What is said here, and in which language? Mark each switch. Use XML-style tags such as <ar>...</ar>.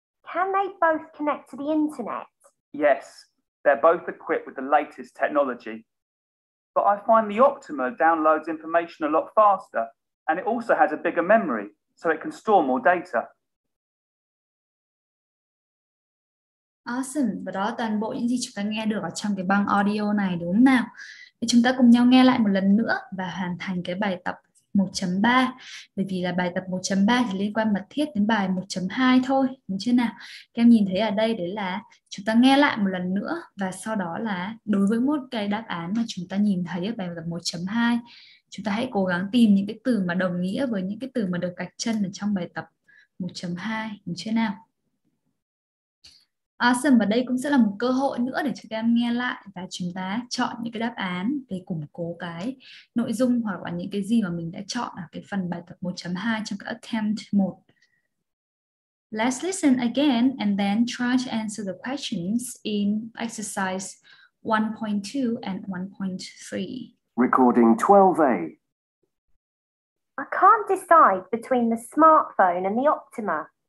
<en>Can they both connect to the internet? Yes, they're both equipped with the latest technology. But I find the Optima downloads information a lot faster, and it also has a bigger memory, so it can store more data. Awesome.</en> <vi>Và đó là toàn bộ những gì chúng ta nghe được ở trong cái băng audio này đúng không nào? Thì chúng ta cùng nhau nghe lại một lần nữa và hoàn thành cái bài tập 1.3, bởi vì là bài tập 1.3 thì liên quan mật thiết đến bài 1.2 thôi, đúng chưa nào? Các em nhìn thấy ở đây đấy là chúng ta nghe lại một lần nữa và sau đó là đối với một cái đáp án mà chúng ta nhìn thấy ở bài tập 1.2, chúng ta hãy cố gắng tìm những cái từ mà đồng nghĩa với những cái từ mà được gạch chân ở trong bài tập 1.2, đúng chưa nào? Awesome, và đây cũng sẽ là một cơ hội nữa để cho các em nghe lại và chúng ta chọn những cái đáp án để củng cố cái nội dung hoặc là những cái gì mà mình đã chọn ở cái phần bài tập 1.2 trong cái attempt 1.</vi> <en>Let's listen again and then try to answer the questions in exercise 1.2 and 1.3. Recording 12A. I can't decide between the smartphone and the Optima.</en>